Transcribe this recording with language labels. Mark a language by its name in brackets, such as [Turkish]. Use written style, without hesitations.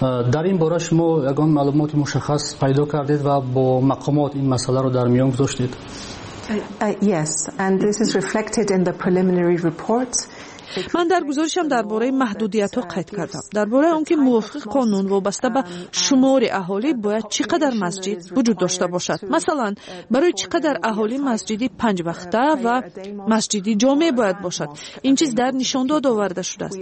[Tajik] در این باره شما یگان معلومات مشخص پیدا کردید و با مقامات این مسئله رو در میان گذاشتید؟ [English] Yes, and this is reflected in the preliminary report. [Tajik] من در گزارشم درباره محدودیت ها قید کردم، درباره آنکه موافق قانون وابسته به شمار اهالی باید چقدر مسجد وجود داشته باشد. مثلا برای چقدر اهالی مسجدی پنج وقته و مسجدی جامعه باید باشد، این چیز در نشان داد آورده شده است.